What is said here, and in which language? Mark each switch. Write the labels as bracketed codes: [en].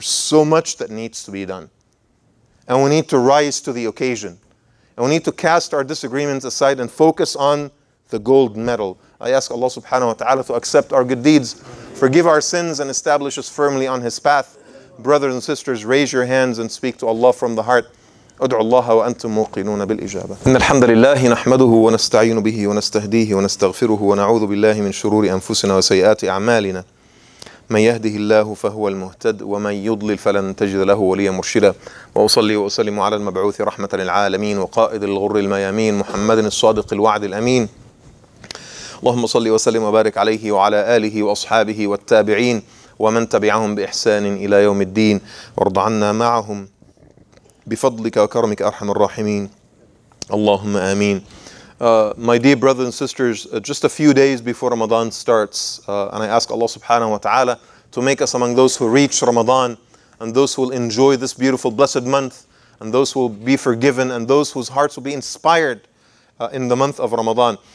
[en] There's so much that needs to be done. And we need to rise to the occasion. And we need to cast our disagreements aside and focus on the gold medal. I ask Allah subhanahu wa ta'ala to accept our good deeds, forgive our sins, and establish us firmly on His path. Brothers and sisters, raise your hands and speak to Allah from the heart. [ar] أدعو الله وأنتم موقنون بالإجابة إن الحمد لله نحمده ونستعين به ونستهديه ونستغفره ونعوذ بالله من شرور أنفسنا وسيئات أعمالنا من يهده الله فهو المهتد ومن يضلل فلن تجد له وليا مرشدا وأصلي وأسلم على المبعوث رحمة للعالمين وقائد الغر الميامين محمد الصادق الوعد الأمين اللهم صلي وسلم وبارك عليه وعلى آله وأصحابه والتابعين ومن تبعهم بإحسان إلى يوم الدين وارض عنا معهم بفضلك وكرمك أرحم الراحمين اللهم آمين. [en] My dear brothers and sisters, just a few days before Ramadan starts, and I ask Allah subhanahu wa ta'ala to make us among those who reach Ramadan and those who will enjoy this beautiful blessed month and those who will be forgiven and those whose hearts will be inspired in the month of Ramadan.